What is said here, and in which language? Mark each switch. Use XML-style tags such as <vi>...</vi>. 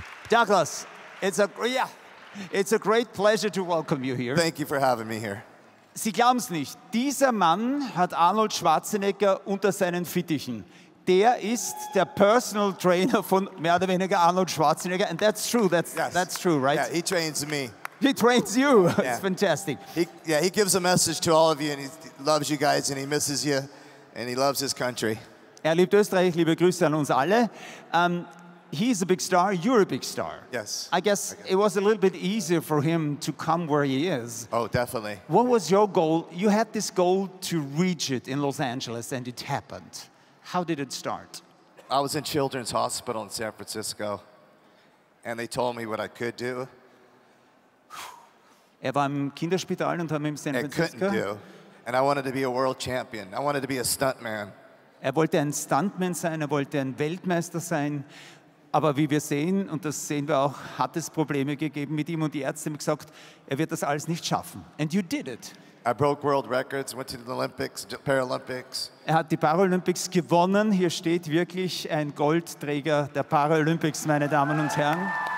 <en>Douglas, it's a great pleasure to welcome you here. Thank you for having me here.</en> <de>Sie glauben es nicht, dieser Mann hat Arnold Schwarzenegger unter seinen Fittichen. Der ist der personal trainer von mehr oder weniger Arnold Schwarzenegger.</de> <en>And that's true, that's true, right? Yeah, he trains me. He trains you. Yeah. It's fantastic. He gives a message to all of you, and he loves you guys, and he misses you, and he loves his country.</en> <de>Er liebt Österreich. Liebe Grüße an uns alle.</de> <en>He's a big star.</en> <de>You're a big star.</de> <en>Yes. I guess it was a little bit easier for him to come where he is. Oh, definitely. What was your goal? You had this goal to reach it in Los Angeles, and it happened. How did it start? I was in Children's Hospital in San Francisco, and they told me what I could do.</en> <de>Er war im Kinderspital und haben ihm San Francisco.</de> <en>I couldn't do. And I wanted to be a world champion. I wanted to be a stuntman.</en> <de>Er wollte ein Stuntman sein, er wollte ein Weltmeister sein. Aber wie wir sehen, und das sehen wir auch, hat es Probleme gegeben mit ihm. Und die Ärzte haben gesagt, er wird das alles nicht schaffen.</de> <en>And you did it. I broke world records, went to the Olympics, Paralympics.</en> <de>Er hat die Paralympics gewonnen. Hier steht wirklich ein Goldträger der Paralympics, meine Damen und Herren.</de>